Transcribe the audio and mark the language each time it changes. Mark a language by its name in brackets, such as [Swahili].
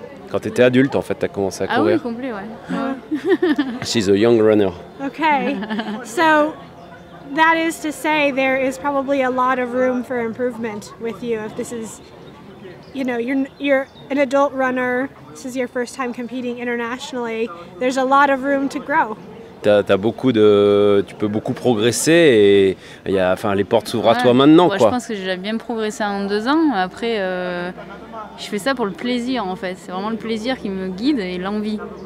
[French] Quand tu étais adulte, en fait, tu as commencé à courir. Ah oui, complet, ouais. [English] She's a young runner. Okay. So that is to say there is probably a lot of room for improvement with you if this is, you know, you're an adult runner, this is your first time competing internationally, there's a lot of room to grow. [French] T'as beaucoup de, tu peux beaucoup progresser et il y a, enfin, les portes s'ouvrent à toi maintenant. Moi, quoi. Je pense que j'ai bien progressé en 2 ans. Après, je fais ça pour le plaisir en fait. C'est vraiment le plaisir qui me guide et l'envie.